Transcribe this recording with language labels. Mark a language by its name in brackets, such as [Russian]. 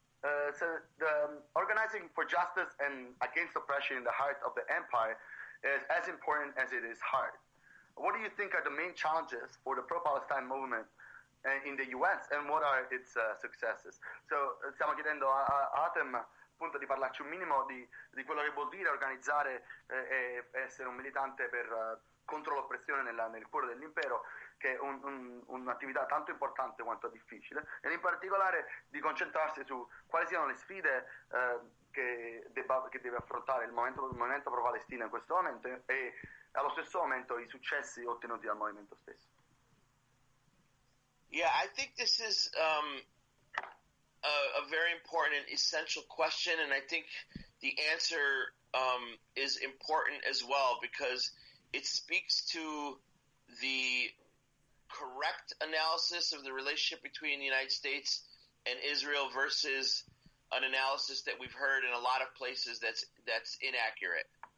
[English] The organizing for justice and against oppression in the heart of the empire is as important as it is hard. What do you think are the main challenges for the pro-Palestine movement in the U.S. and what are its successes? [Italian] So, stiamo chiedendo a Atem appunto di parlarci un minimo di quello che vuol dire organizzare e essere un militante per contro l'oppressione nel cuore dell'impero, che è un'attività tanto importante quanto difficile, e in particolare di concentrarsi su quali siano le sfide che deve affrontare il movimento pro-Palestina in questo momento e allo stesso momento i successi ottenuti dal movimento stesso. [English] Yeah, I think this is a very important and essential question, and I think the answer is important as well, because it speaks to the correct analysis of the relationship between the United States and Israel versus an analysis that we've heard in a lot of places that's inaccurate.